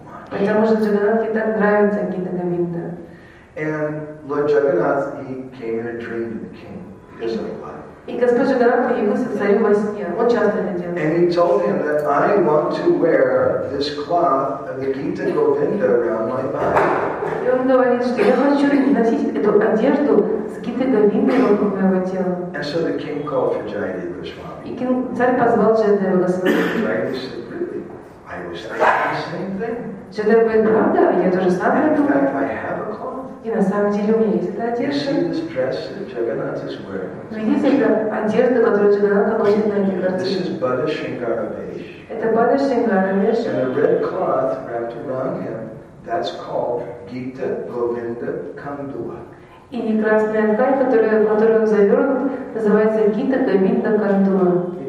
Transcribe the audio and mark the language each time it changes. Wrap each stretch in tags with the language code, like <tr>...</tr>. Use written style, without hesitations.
<ru>Потому что Джаганнатхе так нравится Гита Говинда.</ru> <en>And Lord Jagannath, he came in a dream to the king because of what?</en> <ru>И Господь Джаганнатха явился царю во сне. Он часто это делает.</ru> <en>And he told him that I want to wear this cloth of the Gita Govinda around my body.</en> <ru>И он говорит, что я хочу носить эту одежду с Гита Говинды вокруг моего тела.</ru> <en>And so the king called for Jayadev Goswami.</en> <ru>И царь позвал Джайдева Госвами.</ru> <en>Jayadev said, really? I was thinking the same thing.</en> <ru>Джайдев говорит, правда? Я тоже сам это думаю.</ru> <en>In fact, I have a cloth.</en> <ru>И на самом деле у меня есть эта одежда.</ru> <en>You see this dress that Jagannath is wearing.</en> <ru>Видите, это одежда, которую Джагананта носит на этой картине.</ru> <en>This is Bada Shringara Vesh.</en> <ru>Это Bada Shringara Vesh.</ru> <en>And a red cloth wrapped around him, that's called Gita Govinda Kandua.</en> <ru>И красная ткань, которую он завернут, называется Гита Говинда Кандуа.</ru>